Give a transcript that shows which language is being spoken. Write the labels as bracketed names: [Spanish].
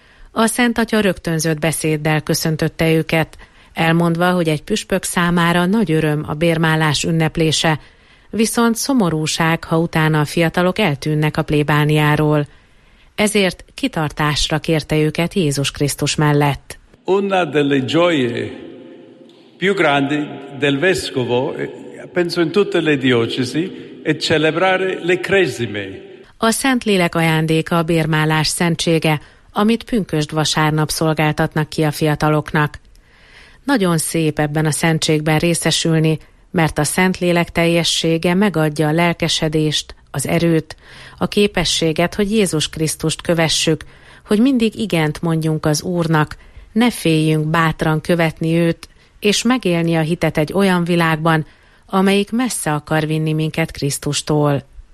[Hungarian] A Szentatya rögtönzött beszéddel köszöntötte őket, elmondva, hogy egy püspök számára nagy öröm a bérmálás ünneplése, viszont szomorúság, ha utána a fiatalok eltűnnek a plébániáról. Ezért kitartásra kérte őket Jézus Krisztus mellett. [Italian] Una delle gioie più grandi del vescovo, penso in tutte le diocesi, è celebrare le cresime. [Hungarian] A Szentlélek ajándéka a bérmálás szentsége, amit pünkösd vasárnap szolgáltatnak ki a fiataloknak. Nagyon szép ebben a szentségben részesülni, mert a Szentlélek teljessége megadja a lelkesedést, az erőt, a képességet, hogy Jézus Krisztust kövessük, hogy mindig igent mondjunk az Úrnak, ne féljünk bátran követni őt, és megélni a hitet egy olyan világban, amelyik messze akar vinni minket Krisztustól.